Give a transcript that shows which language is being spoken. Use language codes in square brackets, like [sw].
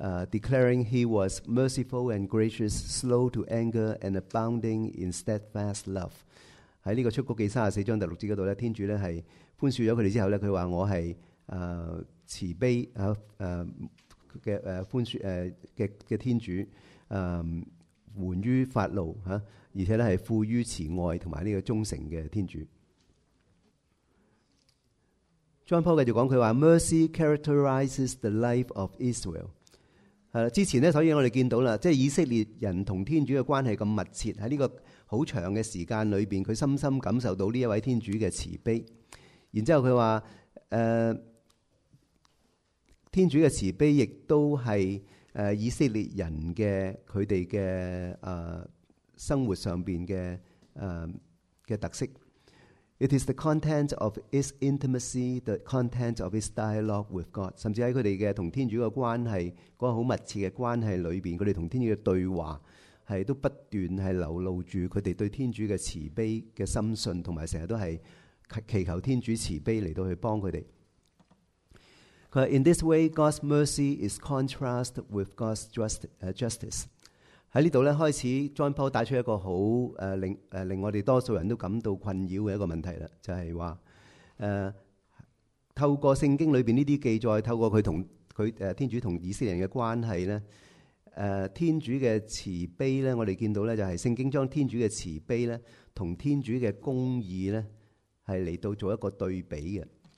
[en] declaring he was merciful and gracious, slow to anger and abounding in steadfast love. [zh] 在这个出谷记34章第6节那里，天主呢是宽恕了他们之后，他说我是慈悲宽恕的天主，缓于发怒，而且是富于慈爱和这个忠诚的天主。 [en] John Paul [zh] 继续讲，他说 [en] Mercy characterizes the life of Israel。 [zh] 之前呢，所以我们看到了，即以色列人和天主的关系这么密切，在这个很长的时间里面，他深深感受到这位天主的慈悲。然后他说天主的慈悲亦都是以色列人的他们的生活上面 的特色。 [en] It is the content of its intimacy, the content of its dialogue with God. [zh] 甚至在他们的跟天主的关系，那个很密切的关系里面，他们跟天主的对话是都不断是流露着他们对天主的慈悲的深信，还有经常都是祈求天主慈悲来去帮他们。 [en] In this way, God's mercy is contrast with God's justice. [zh] 在这里开始 John Paul 带出一个很令我们多数人都感到困扰的一个问题，就是说透过圣经里面这些记载，透过天主和以色列人的关系，天主的慈悲呢，我们看到呢，就是圣经将天主的慈悲呢和天主的公义呢是来到做一个对比的。